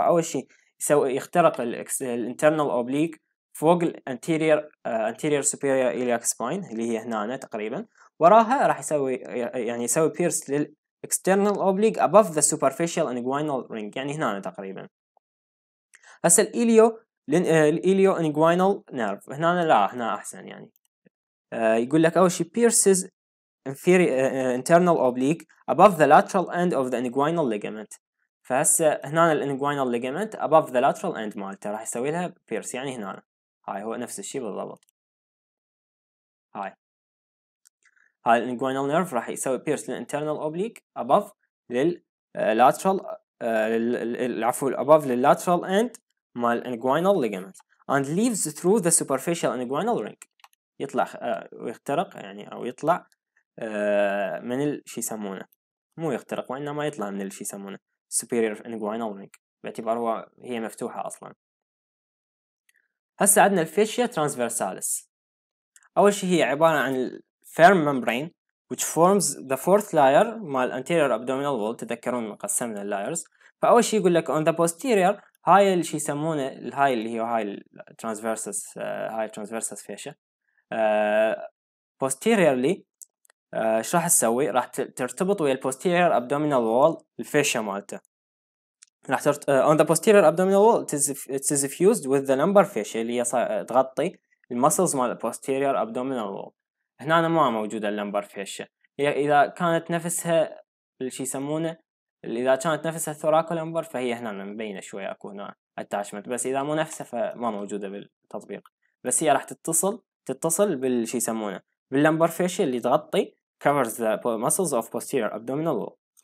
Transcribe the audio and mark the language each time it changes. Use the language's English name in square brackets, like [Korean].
[Arabic] أول شيء يسوي يخترق ال internal oblique فوق ال anterior anterior superior iliac spine اللي هي هنا أنا تقريبا. وراها راح يسوي يعني يسوي pierce لل external oblique [English] above the superficial inguinal ring [Arabic] يعني هنا تقريبا. هسه الإليو الإليو [English] inguinal nerve [Arabic] هنا لا هنا أحسن يعني يقول لك أول شيء [English] pierces internal oblique above the lateral end of the inguinal ligament. [Arabic] فهسه هنا الinguinal ligament [English] above the lateral end [Arabic] مالته راح يسوي لها pierce يعني هنا هاي هو نفس الشيء بالضبط هاي هاي الانجوينال نيرف راح يسوي بيرس للانترنال اوبليك اباف لللاترال العفو اباف لللاترال اند مال انجوينال ليجمنت [English] and leaves through the superficial inguinal ring [Arabic] يطلع ويخترق يعني او يطلع من الشي يسمونه مو يخترق وانما يطلع من الشي يسمونه سوبيرير انجوينال رينج باعتبار هو هي مفتوحه اصلا. هسه عندنا الفيشيا ترانسفيرساليس. اول شيء هي عباره عن [English] firm membrane which forms the fourth layer مال anterior abdominal wall. [Arabic] تذكرون قسمنا layers. فأول شيء يقول لك [English] on the posterior هاي الشي يسمونه هاي اللي هي هاي transversus هاي transversus fascia posteriorly ايش راح تسوي؟ راح ترتبط ويا posterior abdominal wall الفاشيا مالته راح on the posterior abdominal wall it is fused with the lumbar fascia [Arabic] اللي هي تغطي muscles مال posterior abdominal wall. هنا أنا ما موجودة اللمبر فيشة إذا كانت نفسها الشي يسمونه إذا كانت نفسها الثوراكو لمبر فهي هنا مبينة شوية أكو هنا التاشمت بس إذا مو نفسها فما موجودة بالتطبيق بس هي راح تتصل بالشي يسمونه باللمبر فيشة اللي تغطي [English] covers the muscles of posterior abdominal wall.